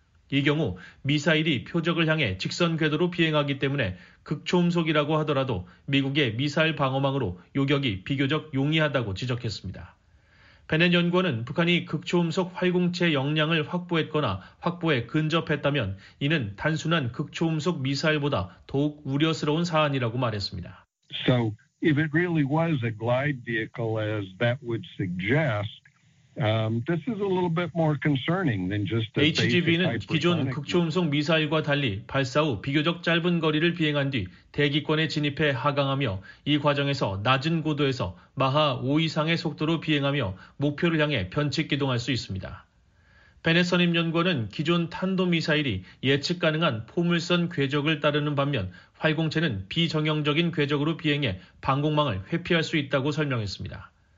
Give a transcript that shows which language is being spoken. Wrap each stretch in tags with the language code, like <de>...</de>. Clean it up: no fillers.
<ko>이 경우 미사일이 표적을 향해 직선 궤도로 비행하기 때문에 극초음속이라고 하더라도 미국의 미사일 방어망으로 요격이 비교적 용이하다고 지적했습니다. 베넷 연구원은 북한이 극초음속 활공체 역량을 확보했거나 확보에 근접했다면 이는 단순한 극초음속 미사일보다 더욱 우려스러운 사안이라고 말했습니다.</ko> <en>So if it really was a glide vehicle as that would suggest, this is a little bit more concerning than just a basic</en> <ko>HGV는 기존 극초음속 미사일과 달리 발사 후 비교적 짧은 거리를 비행한 뒤 대기권에 진입해 하강하며 이 과정에서 낮은 고도에서 마하 5 이상의 속도로 비행하며 목표를 향해 변칙 기동할 수 있습니다. 베넷 선임연구원은 기존 탄도미사일이 예측 가능한 포물선 궤적을 따르는 반면 활공체는 비정형적인 궤적으로 비행해 방공망을 회피할 수 있다고 설명했습니다.</ko>